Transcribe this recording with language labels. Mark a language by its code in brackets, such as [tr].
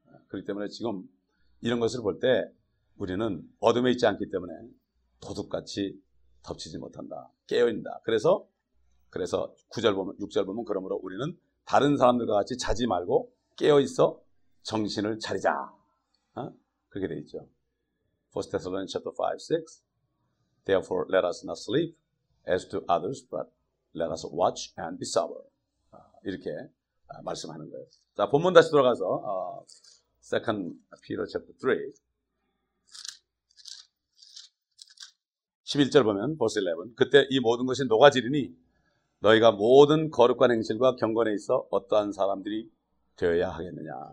[ko] 그렇기 때문에 지금 이런 것을 볼 때 우리는 어둠에 있지 않기 때문에 도둑같이 덮치지 못한다. 깨어있는다. 그래서 9절 보면, 6절 보면 그러므로 우리는 다른 사람들과 같이 자지 말고 깨어있어 정신을 차리자. 그렇게 되어있죠. [en] 1 Thessalonians chapter 5, 6. Therefore, let us not sleep as do others, but let us watch and be sober. [ko] 이렇게 말씀하는 거예요. 자, 본문 다시 들어가서 [en] 2 Peter chapter 3 [ko] 11절 보면 [en] verse 11 [ko] 그때 이 모든 것이 녹아지리니 너희가 모든 거룩한 행실과 경건에 있어 어떠한 사람들이 되어야 하겠느냐.